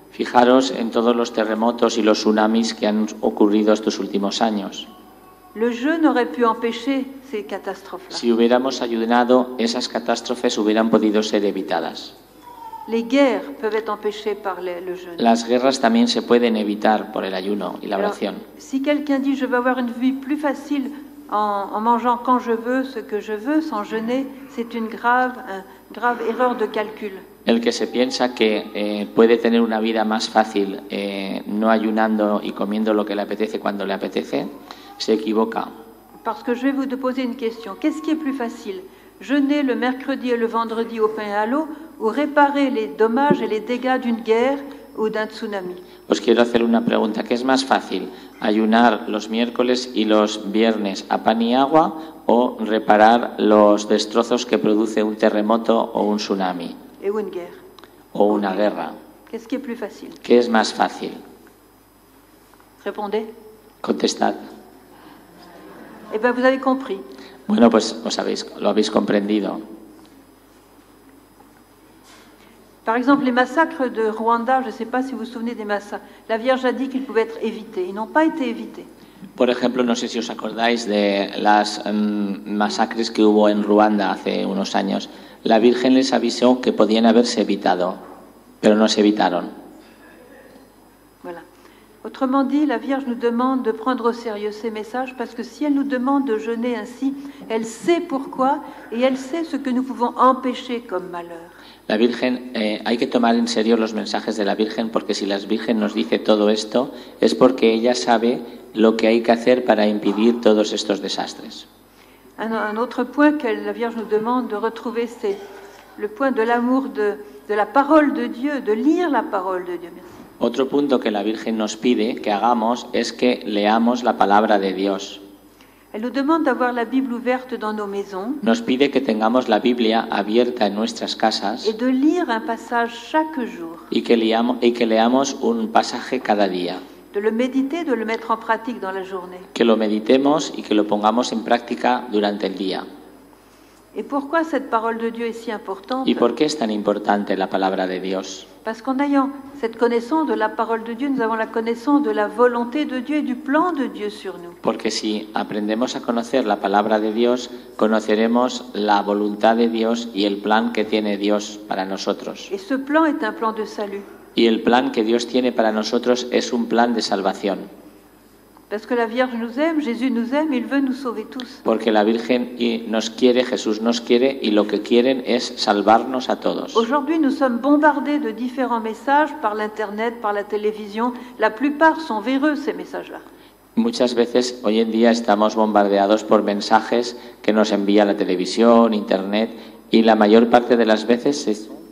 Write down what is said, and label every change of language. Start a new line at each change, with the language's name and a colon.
Spanish: Fijaros en todos los terremotos y los tsunamis que han ocurrido estos últimos años.
French: Le jeûne aurait pu empêcher ces catastrophes.
Spanish: Si hubiéramos ayunado, esas catástrofes hubieran podido ser evitadas.
French: Les guerres peuvent être empêchées par le jeûne.
Spanish: Las guerras también se pueden evitar por el ayuno y la oración.
French: Si quelqu'un dit je veux avoir une vie plus facile en mangeant quand je veux ce que je veux sans jeûner, c'est une grave erreur de calcul.
Spanish: El que se piensa que puede tener una vida más fácil no ayunando y comiendo lo que le apetece cuando le apetece, se equivoca.
French: Parce que je vais vous poser une question. Qu'est-ce qui est plus facile? Jeûner le mercredi et le vendredi au pain et à l'eau ou réparer les dommages et les dégâts d'une guerre ou d'un tsunami?
Spanish: Os quiero hacer una pregunta. ¿Qué es más fácil, ayunar los miércoles y los viernes a pan y agua o reparar los destrozos que produce un terremoto o un tsunami?
French: Et une guerre.
Spanish: O una guerra.
French: Qu'est-ce qui est plus facile?
Spanish: ¿Qué es más fácil?
French: Répondez.
Spanish: Contestad.
French: Eh bien, vous avez compris.
Spanish: Bueno, pues lo habéis comprendido.
French: Par exemple, les massacres de Rwanda, je ne sais pas si vous vous souvenez des massacres. La Vierge a dit qu'ils pouvaient être évités. Ils n'ont pas été évités.
Spanish: Por ejemplo, no sé si os acordáis de las masacres que hubo en Ruanda hace unos años. La Virgen les avisó que podían haberse evitado, pero no se evitaron.
French: Voilà. Autrement dit, la Vierge nous demande de prendre au sérieux ces messages parce que si elle nous demande de jeûner ainsi, elle sait pourquoi et elle sait ce que nous pouvons empêcher comme malheur.
Spanish: La Virgen, hay que tomar en serio los mensajes de la Virgen porque si la Virgen nos dice todo esto, es porque ella sabe lo que hay que hacer para impedir todos estos desastres.
French: Un autre point que la Vierge nous demande de retrouver, c'est le point de l'amour de la parole de Dieu, de lire la parole de Dieu. Merci.
Spanish: Otro punto que la Virgen nos pide que hagamos es que leamos la palabra de Dios.
French: Elle nous demande d'avoir la Bible ouverte dans nos maisons.
Spanish: Nos pide que tengamos la Biblia abierta en nuestras casas.
French: Et de lire un passage chaque jour.
Spanish: Y que leamos un pasaje cada día.
French: De le méditer, de le mettre en pratique dans la journée.
Spanish: Que lo meditemos y que lo pongamos en práctica durante el día.
French: Et pourquoi cette parole de Dieu est si importante?
Spanish: ¿Y por qué es tan importante la palabra de Dios?
French: Parce qu'en ayant cette connaissance de la parole de Dieu, nous avons la connaissance de la volonté de Dieu et du plan de Dieu sur nous.
Spanish: Porque si aprendemos a conocer la palabra de Dios, conoceremos la voluntad de Dios y el plan que tiene Dios para nosotros.
French: Et ce plan est un plan de salut.
Spanish: Y el plan que Dios tiene para nosotros es un plan de salvación.
French: Parce que la Vierge nous aime, Jésus nous aime, il veut nous sauver tous.
Spanish: Porque la Virgen nos quiere, Jesús nos quiere y lo que quieren es salvarnos a todos.
French: Aujourd'hui nous sommes bombardés de différents messages par l'internet, par la télévision. La plupart sont véreux ces messages-là.
Spanish: Muchas veces hoy en día estamos bombardeados por mensajes que nos envía la televisión, internet y la mayor parte de las veces es...